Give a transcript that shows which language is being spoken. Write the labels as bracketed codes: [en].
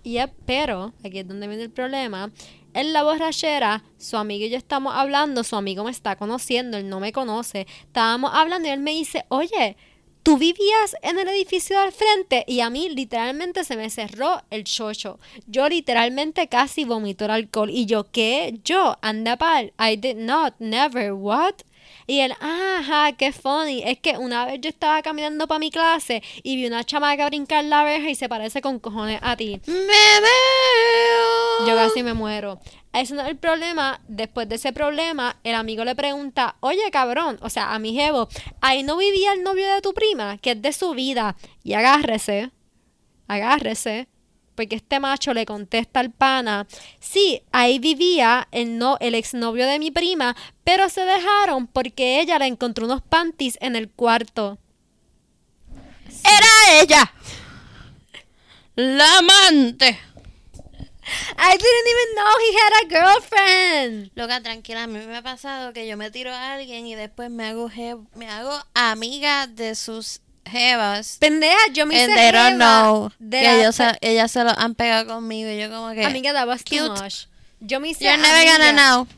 [es] Yep, pero, aquí es donde viene el problema. En la borrachera, su amigo y yo estamos hablando, su amigo me está conociendo, él no me conoce. Estábamos hablando y él me dice, oye, tú vivías en el edificio del frente. Y a mí literalmente se me cerró el chocho. Yo literalmente casi vomito el alcohol. Y yo, ¿qué? Yo, anda pal, [en] I did not, never, what? [es] Y él, ajá, qué funny. Es que una vez yo estaba caminando para mi clase y vi una chamaca brincar la verja y se parece con cojones a ti. ¡Me veo! Yo casi me muero. Ese no es el problema. Después de ese problema, el amigo le pregunta, oye, cabrón, o sea, a mi jevo, ¿ahí no vivía el novio de tu prima? Que es de su vida. Y agárrese, agárrese. Porque este macho le contesta al pana, sí, ahí vivía el exnovio de mi prima, pero se dejaron porque ella le encontró unos panties en el cuarto. ¡Era ella! ¡La amante! [en] I didn't even know he had a girlfriend. [es] Loca, tranquila, a mí me ha pasado que yo me tiro a alguien y después me hago amiga de sus... Jebas. Pendeja, yo me hice jeba. [en] And they don't know. [es] Ellas se lo han pegado conmigo. Y yo como que, [en] amiga, that was cute. Too much. [es] Yo me hice [en] You're never [es] amiga. [en] Gonna know.